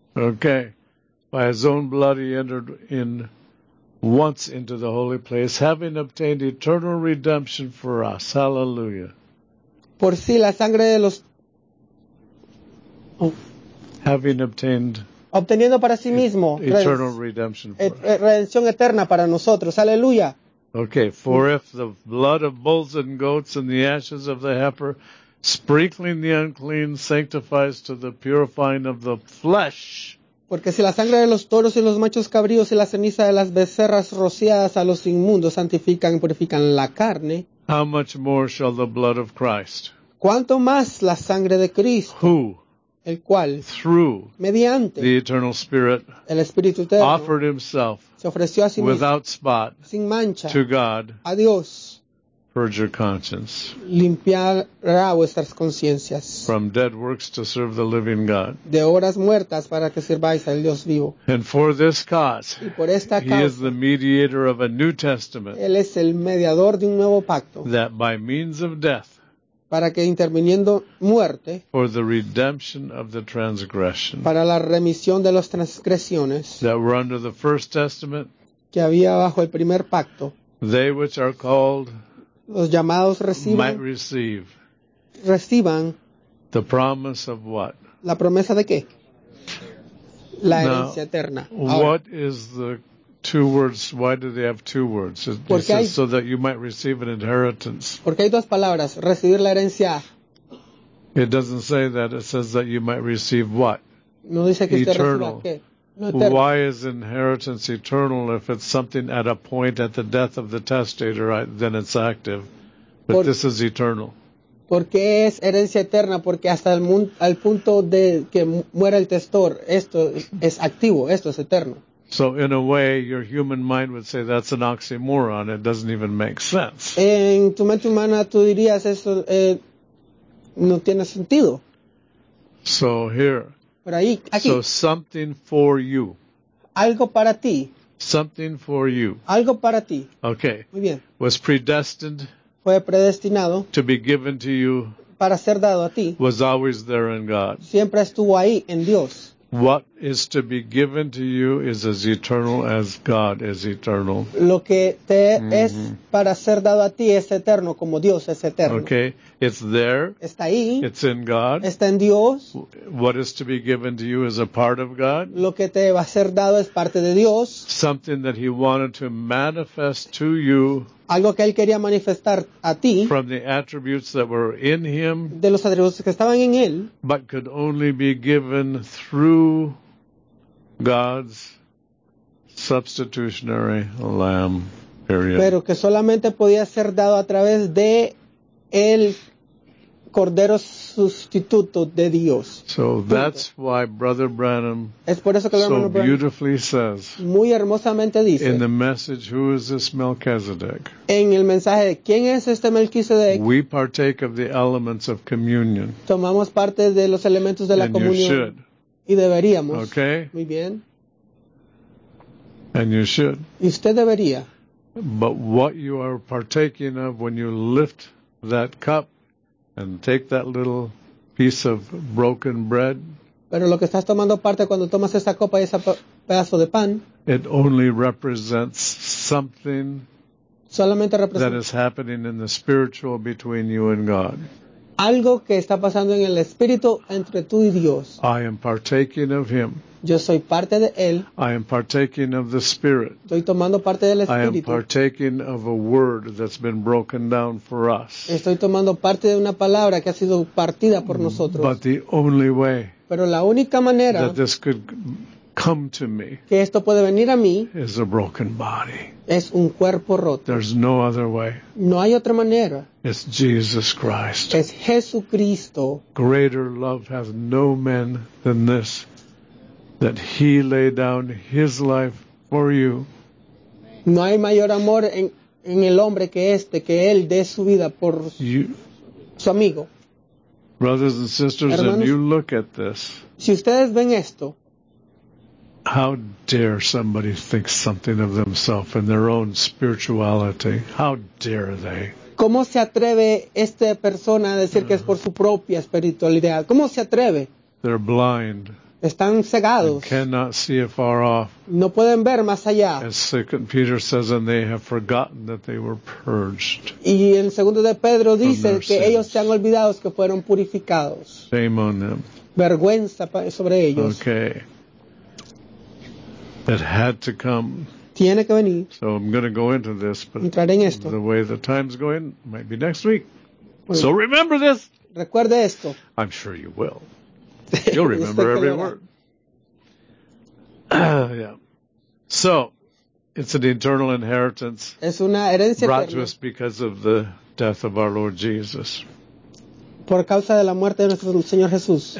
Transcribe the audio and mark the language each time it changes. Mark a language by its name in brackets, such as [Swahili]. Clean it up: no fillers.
[English] Okay. By his own blood he entered in once into the holy place, having obtained eternal redemption for us. Hallelujah. [Spanish] Por sí la sangre de los... [English] Having obtained... [Spanish] Obteniendo para sí mismo redención eterna para nosotros. Aleluya. [English] Okay, for if the blood of bulls and goats and the ashes of the heifer sprinkling the unclean sanctifies to the purifying of the flesh. [Spanish] Porque si la sangre de los toros y los machos cabríos y la ceniza de las becerras rociadas a los inmundos santifican y purifican la carne. [English] How much more shall the blood of Christ? [Spanish] ¿Cuánto más la sangre de Cristo? [English] Who? [Spanish] El cual, [English] through [Spanish] mediante [English] the eternal spirit, [Spanish] el Espíritu Eterno, [English] offered himself, [Spanish] se ofreció a sí mismo, [English] without spot, [Spanish] sin mancha, [English] to God, [Spanish] a Dios, [English] purge your conscience, [Spanish] limpiará vuestras conciencias, [English] from dead works to serve the living God, [Spanish] de obras muertas para que sirváis al Dios vivo, [English] and for this cause, [Spanish] y por esta causa, [English] he is the mediator of a new testament, [Spanish] él es el mediador de un nuevo pacto, [English] that by means of death, [Spanish] para que interviniendo muerte, [English] for the redemption of the transgression, [Spanish] para la remisión de las transgresiones, [English] that were under the first testament, [Spanish] que había bajo el primer pacto, [English] they which are called, [Spanish] los llamados reciben, [English] might receive, [Spanish] reciban, [English] the promise of what? [Spanish] La promesa de qué? La herencia eterna. Ahora, [English] what is the two words? Why do they have two words? It says so that you might receive an inheritance. [Spanish] Porque hay dos palabras. Recibir la herencia. [English] It doesn't say that. It says that you might receive what? [Spanish] No dice que [English] eternal. [Spanish] Usted reciba, ¿qué? [English] Why is inheritance eternal if it's something at a point at the death of the testator, then it's active? But this is eternal. [Spanish] Porque es herencia eterna, porque hasta al punto de que muera el testor, esto es activo, esto es eterno. [English] So in a way, your human mind would say that's an oxymoron. It doesn't even make sense. [Spanish] En tu mente humana, tú dirías eso no tiene sentido. [English] So here. [Spanish] Por ahí, aquí. [English] So something for you. [Spanish] Algo para ti. [English] Something for you. [Spanish] Algo para ti. [English] Okay. [Spanish] Muy bien. [English] Was predestined. [Spanish] Fue predestinado. [English] To be given to you. [Spanish] Para ser dado a ti. [English] Was always there in God. [Spanish] Siempre estuvo ahí en Dios. [English] What is to be given to you is as eternal as God is eternal. [Spanish] Lo que te es para ser dado a ti es eterno como Dios es eterno. [English] Okay, it's there. [Spanish] Está ahí. [English] It's in God. [Spanish] Está en Dios. [English] What is to be given to you is a part of God. [Spanish] Lo que te va a ser dado es parte de Dios. [English] Something that he wanted to manifest to you. [Spanish] Algo que él quería manifestar a ti. [English] From the attributes that were in him. [Spanish] De los atributos que estaban en él. [English] But could only be given through God's substitutionary lamb. Period. [Spanish] Pero que solamente podía ser dado a través de el cordero sustituto de Dios. [English] So that's why Brother Branham [Spanish] es por eso que [English] so beautifully says, [Spanish] muy hermosamente dice, [English] in the message, who is this Melchizedek? [Spanish] En el mensaje de quién es este Melquisedec? [English] We partake of the elements of communion. [Spanish] Tomamos parte de los elementos de la comunión. [English] And you should. [Spanish] Y deberíamos. [English] Okay. [Spanish] Muy bien. [English] And you should. [Spanish] Y usted debería. [English] But what you are partaking of when you lift that cup and take that little piece of broken bread. [Spanish] Pero lo que estás tomando parte cuando tomas esa copa y ese pedazo de pan. [English] It only represents something. [Spanish] Solamente representa. [English] That is happening in the spiritual between you and God. [Spanish] Algo que está pasando en el espíritu entre tú y Dios. [English] I am partaking of him. [Spanish] Yo soy parte de él. [English] I am partaking of the spirit. [Spanish] Estoy tomando parte del espíritu. [English] I am partaking of a word that's been broken down for us. [Spanish] Estoy tomando parte de una palabra que ha sido partida por nosotros. [English] But the only way [Spanish] pero la única manera [English] that this could come to me. [Spanish] Que esto puede venir a mí. [English] Is a broken body. [Spanish] Es un cuerpo roto. [English] There's no other way. [Spanish] No hay otra manera. [English] It's Jesus Christ. [Spanish] Es Jesucristo. [English] Greater love hath no man than this, that he lay down his life for you. [Spanish] No hay mayor amor en el hombre que este, que él dé su vida por su amigo. [English] Brothers and sisters, [Spanish] hermanos, [English] if you look at this, [Spanish] si ustedes ven esto, [English] how dare somebody think something of themselves and their own spirituality? How dare they? [Spanish] ¿Cómo se atreve esta persona a decir que es por su propia espiritualidad? ¿Cómo se atreve? [English] They're blind. [Spanish] Están cegados. [English] They cannot see afar off. [Spanish] No pueden ver más allá. [English] As 2 Peter says, and they have forgotten that they were purged. [Spanish] Y en 2 de Pedro dice que ellos se han olvidado que fueron purificados. [English] Shame on them. [Spanish] Vergüenza sobre ellos. [English] Okay. It had to come. [Spanish] Tiene que venir. [English] So I'm going to go into this, but [Spanish] entraré en esto. [English] The way the time's going, might be next week. [Spanish] Bueno, [English] so remember this. [Spanish] Recuerde esto. [English] I'm sure you will. You'll remember every word. Yeah. So, it's an eternal inheritance. [Spanish] Es una herencia [English] brought [Spanish] eterna. [English] To us because of the death of our Lord Jesus. [Spanish] Por causa de la muerte de nuestro Señor Jesús.